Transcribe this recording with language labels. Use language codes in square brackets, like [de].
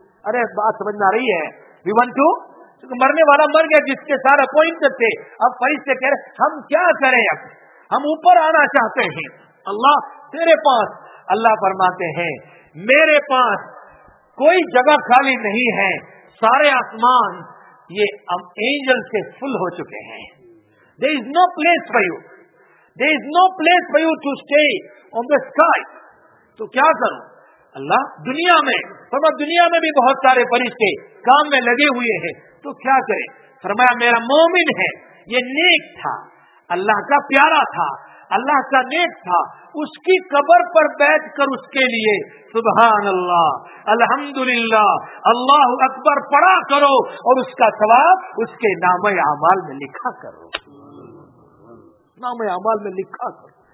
[ur] ارے بات سمجھنا رہی ہے, [en] we want to, [ur] مرنے والا مر گیا جس کے سارے اپوائنٹڈ تھے, اب فرشتے کہہ رہے ہم کیا کریں, اب ہم اوپر آنا چاہتے ہیں اللہ تیرے پاس. اللہ فرماتے ہیں میرے پاس کوئی جگہ خالی نہیں ہے, سارے آسمان یہ اینجل سے فل ہو چکے ہیں. [en] There is no place for you. There is no place for you to stay on the sky. [ur] تو کیا کروں اللہ, دنیا میں, فرمایا دنیا میں بھی بہت سارے فرشتے کام میں لگے ہوئے ہیں, تو کیا کرے, فرمایا میرا مومن ہے, یہ نیک تھا, اللہ کا پیارا تھا, اللہ کا نیک تھا, اس کی قبر پر بیٹھ کر اس کے لیے سبحان اللہ الحمدللہ اللہ اکبر پڑا کرو اور اس کا ثواب اس کے نام اعمال میں لکھا کرو, نام اعمال میں لکھا کرو.